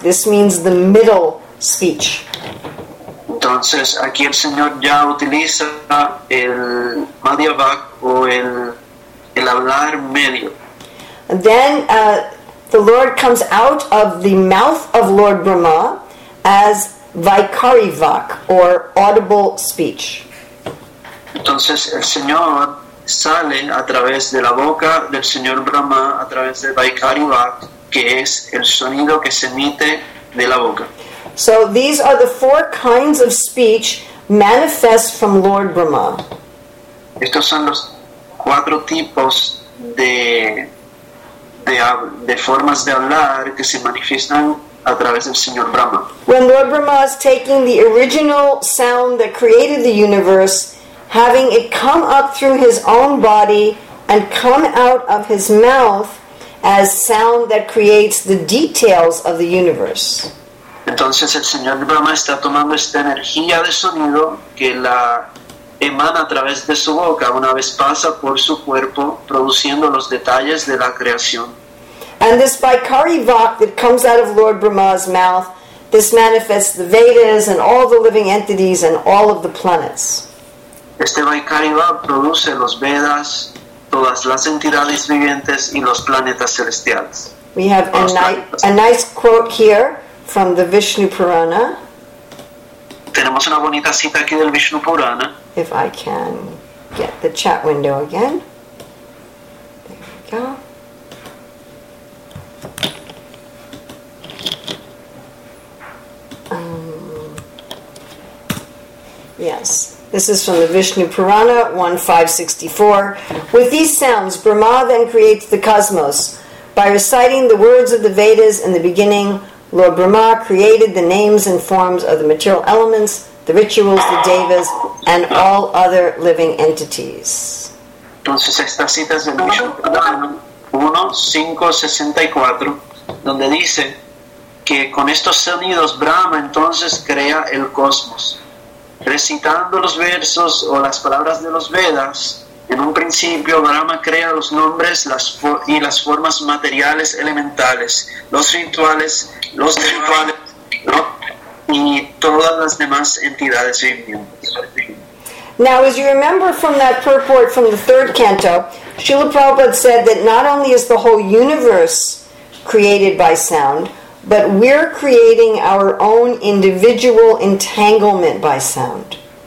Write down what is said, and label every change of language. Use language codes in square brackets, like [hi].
[en] This means the middle speech. [es] Entonces aquí el Señor ya utiliza el Madhya Vak o el hablar medio. [en] Then the Lord comes out of the mouth of Lord Brahma as Vaikari Vak, or audible speech. [es] Entonces el Señor sale a través de la boca del Señor Brahma, a través de Vaikari Vak, que es el sonido que se emite de la boca. [en] So these are the four kinds of speech manifest from Lord Brahma. [es] Estos son los cuatro tipos de formas de hablar que se manifiestan a través del Señor Brahma. [en] When Lord Brahma is taking the original sound that created the universe, having it come up through his own body and come out of his mouth as sound that creates the details of the universe. [es] Entonces el Señor Brahma está tomando esta energía de sonido que la emana a través de su boca, una vez pasa por su cuerpo, produciendo los detalles de la creación. [en] And this Vaikari Vak that comes out of Lord Brahma's mouth, this manifests the Vedas and all the living entities and all of the planets. [es] Este Vaikari Vak produce los Vedas, todas las entidades vivientes y los planetas celestiales. [en] We have a nice quote here from the Vishnu Purana. [es] Tenemos una bonita cita aquí del Vishnu Purana. [en] If I can get the chat window again. There we go. Um. Yes. This is from the Vishnu Purana, 1.564. With these sounds, Brahma then creates the cosmos. By reciting the words of the Vedas in the beginning, Lord Brahma created the names and forms of the material elements, the rituals, the devas, and all other living entities. [es] Entonces esta cita es del Vishnu Purana, 1.564, donde dice que con estos sonidos Brahma entonces crea el cosmos. Recitando los versos o las palabras de los Vedas, en un principio Brahma crea los nombres y las formas materiales elementales, los rituales, los rituales, ¿no? Y todas las demás entidades vivientes. [en] Now, as you remember from that purport from the third canto, Srila Prabhupada said that not only is the whole universe created by sound, but we're creating our own individual entanglement by sound.